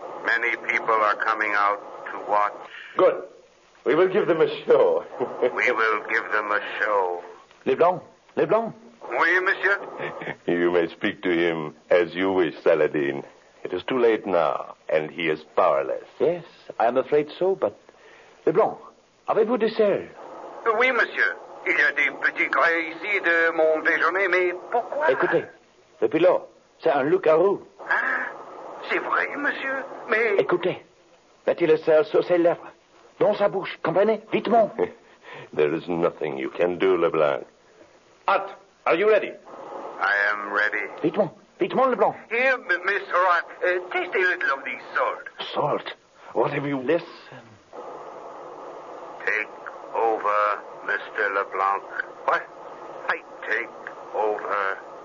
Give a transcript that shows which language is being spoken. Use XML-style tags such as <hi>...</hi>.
<en>Many people are coming out to watch. Good. We will give them a show. We will give them a show. Leblanc. Leblanc.</en> <fr>Oui, monsieur.</fr> <en>You may speak to him as you wish, Saladin. It is too late now, and he is powerless. Yes, I am afraid so, but...</en> <fr>Leblanc, avez-vous dessert? Oui, monsieur. Il y a des petits grains ici de mon déjeuner, mais pourquoi... Écoutez, le pilote, c'est un loup-garou. Ah, c'est vrai, monsieur, mais... Écoutez, mettez le sel sur ses lèvres, dans sa bouche, comprenez, vitement.</fr> <en>There is nothing you can do, Leblanc. Art, are you ready? I am ready.</en> <fr>Vitement. Vitement, Leblanc.</fr> <en>Here, Mr. Rat, taste a little of this salt. Salt? What have you... Listen. Take over, Mr. Leblanc. What? I take over.</en>